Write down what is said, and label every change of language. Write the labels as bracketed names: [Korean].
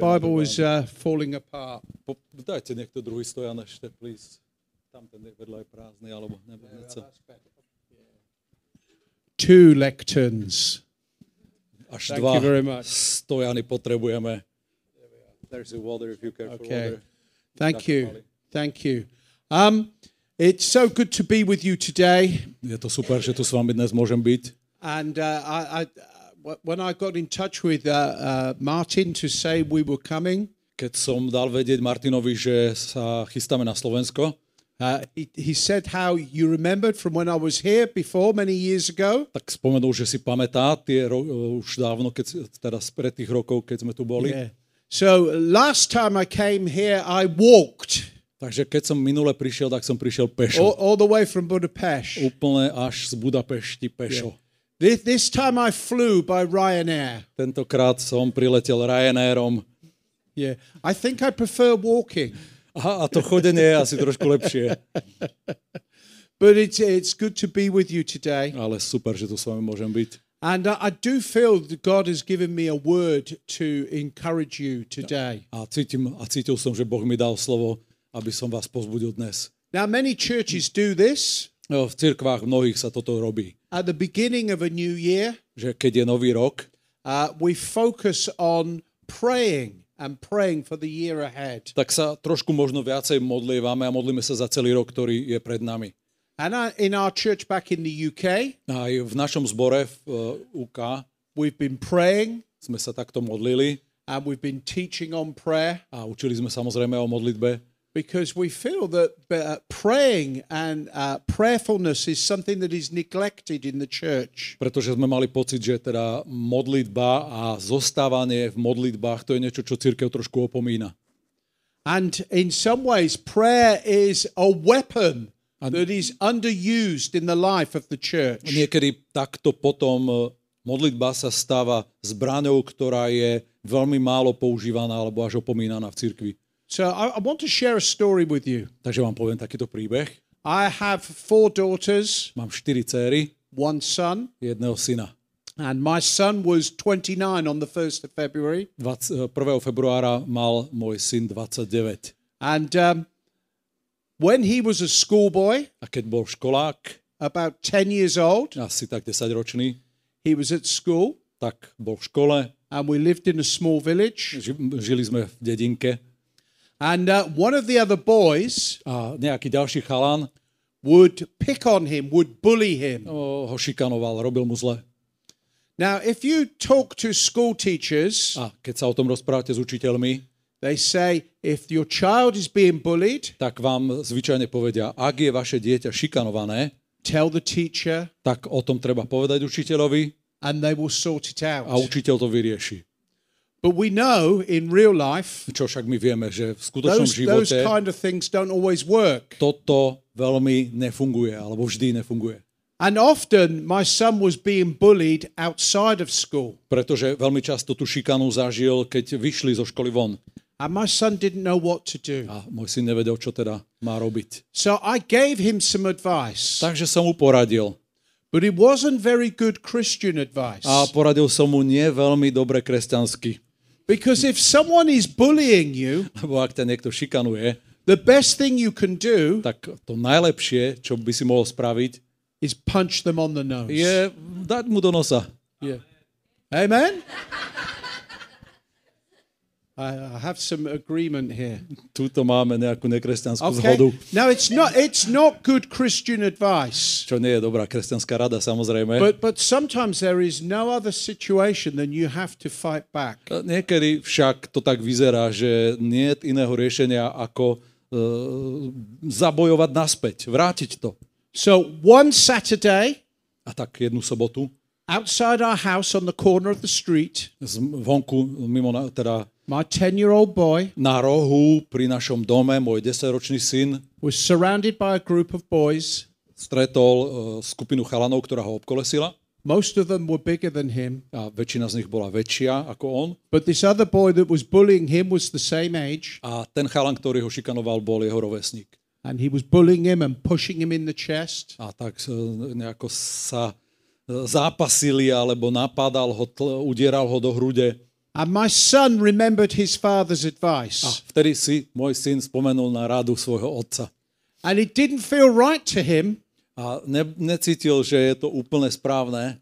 [English] Bible was falling apart. [Slovak] Dajte niekto druhý stojan ešte, [English] please. [Slovak] Tamten je vedľa je prázdny, alebo neviem [English] yeah, co. Two lecterns. [Slovak] Až dva stojany potrebujeme. [English] There's a water if you care for okay. Water. Thank you. Thank you. It's so good to be with you today. [Slovak] Je to super, že tu s vami dnes môžem byť. [English] And when I got in touch with Martin to say we were coming. [Slovak] Keď som dal vedieť Martinovi, že sa chystáme na Slovensko. [English] He said how you remembered from when I was here before many years ago. [Slovak] Tak spomenul, že si pamätá tie už dávno, keď teda spred tých rokov, keď sme tu boli. [English] Yeah. So last time I came here I walked. [Slovak] Takže keď som minule prišiel, tak som prišiel pešo. [English] All the way from Budapest. [Slovak] Úplne až z Budapešti pešo. [English] Yeah. This time I flew by Ryanair. [Slovak] Tentokrát som priletel Ryanairom. [English] Yeah. I think I prefer walking. [Slovak] A to chodenie je asi trošku lepšie. [English] But it's good to be with you today. [Slovak] Ale super, že tu s vami môžem byť. [English] And I do feel that God has given me a word to encourage you today. [Slovak] A cítil som, že Boh mi dal slovo, aby som vás pozbudil dnes. [English] Now many churches do this. [Slovak] No, v cirkvách mnohých sa toto robí. [English] At the beginning of a new year. [Slovak] Že keď je nový rok. [English] We focus on praying. I'm praying for the year ahead. [Slovak] Tak sa trošku možno viacej modlívame a modlíme sa za celý rok, ktorý je pred nami. [English] And in our church back in the UK. [Slovak] Aj v našom zbore v UK. [English] We've been praying. [Slovak] Sme sa takto modlili. [English] And we've been teaching on prayer. [Slovak] A učili sme samozrejme o modlitbe. [English] Because we feel that praying and prayerfulness is something that is neglected in the church. [Slovak] Pretože sme mali pocit, že teda modlitba a zostávanie v modlitbách, to je niečo, čo cirkev trošku opomína. [English] And in some ways prayer is a weapon that is underused in the life of the church. [Slovak] Niekedy takto potom modlitba sa stáva zbraňou, ktorá je veľmi málo používaná alebo až opomínaná v cirkvi. [English] So I want to share a story with you. [Slovak] Takže vám poviem takýto príbeh. [English] I have four daughters. [Slovak] Mám štyri céry. [English] One son. [Slovak] Jedného syna. [English] And my son was 29 on the 1st of February. [Slovak] 1. februára mal môj syn 29. [English] And when he was a schoolboy, [Slovak] a keď bol školák, [English] about 10 years old, [Slovak] asi tak 10-ročný, [English] he was at school, [Slovak] tak bol v škole, [English] and we lived in a small village, [Slovak] žili sme v dedinke, [English] and one of the other boys, [Slovak] a nejaký ďalší chalan, [English] would pick on him, would bully him, [Slovak] ho šikanoval, robil mu zle. [English] Now, if you talk to school teachers, [Slovak] a keď sa o tom rozprávate s učiteľmi, [English] they say, if your child is being bullied, [Slovak] tak vám zvyčajne povedia, ak je vaše dieťa šikanované, [English] tell the teacher, [Slovak] tak o tom treba povedať učiteľovi, [English] and they will sort it out. [Slovak] A učiteľ to vyrieši. [English] But we know in real life, [Slovak] čo však my vieme, že v skutočnom živote, [English] those kind of things don't always work. [Slovak] Toto veľmi nefunguje, alebo vždy nefunguje. [English] And often my son was being bullied outside of school. [Slovak] Pretože veľmi často tú šikanu zažil, keď vyšli zo školy von. [English] And my son didn't know what to do. [Slovak] A môj syn nevedel, čo teda má robiť. [English] So I gave him some advice. [Slovak] Takže som mu poradil. [English] But it wasn't very good Christian advice. [Slovak] A poradil som mu nie veľmi dobre kresťansky. [English] Because if someone is bullying you, [Slovak] lebo ak ťa niekto šikanuje, [English] the best thing you can do, [Slovak] tak to najlepšie, čo by si mohol spraviť, [English] is punch them on the nose. [Slovak] Je dať mu do nosa. [English] Yeah. Amen? I have some agreement here. [Slovak] Tuto máme nejakú nekresťanskú [English] okay. [Slovak] zhodu. [English] Now it's not good Christian advice. [Slovak] Čo nie je dobrá kresťanská rada, samozrejme. [English] But sometimes there is no other situation than you have to fight back. [Slovak] Niekedy však to tak vyzerá, že nie je iného riešenia ako zabojovať naspäť, vrátiť to. [English] So one Saturday, [Slovak] a tak jednu sobotu, [English] outside our house on the corner of the street, [Slovak] vonku mimo teda [English] my 10-year-old boy, [Slovak] na rohu pri našom dome môj 10-ročný syn, [English] was surrounded by a group of boys, [Slovak] stretol skupinu chalanov, ktorá ho obkolesila. [English] Most of them were bigger than him. [Slovak] A väčšina z nich bola väčšia ako on. [English] But this other boy that was bullying him was the same age. [Slovak] A ten chalan, ktorý ho šikanoval, bol jeho rovesník. [English] And he was bullying him and pushing him in the chest. [Slovak] A tak nejako sa zápasili alebo napadal ho, udieral ho do hrude. [English] And my son remembered his father's advice. [Slovak] A vtedy si môj syn spomenul na radu svojho otca. [English] And it didn't feel right to him. [Slovak] A necítil, že je to úplne správne.